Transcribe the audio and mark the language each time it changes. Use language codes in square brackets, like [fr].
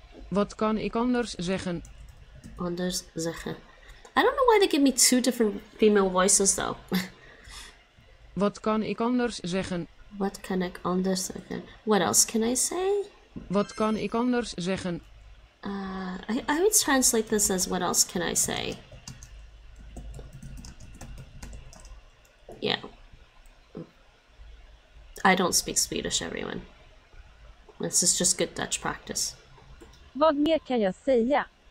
[nl] Wat kan ik anders zeggen? Anders zeggen. [en] I don't know why they give me two different female voices, though. [nl] Wat kan ik anders zeggen? [en] What can I [nl] anders zeggen? [en] What else can I say? [nl] Wat kan ik anders zeggen? [en] I would translate this as what else can I say? Yeah. I don't speak Swedish, everyone. This is just good Dutch practice. [sv] Vad mer kan jag säga?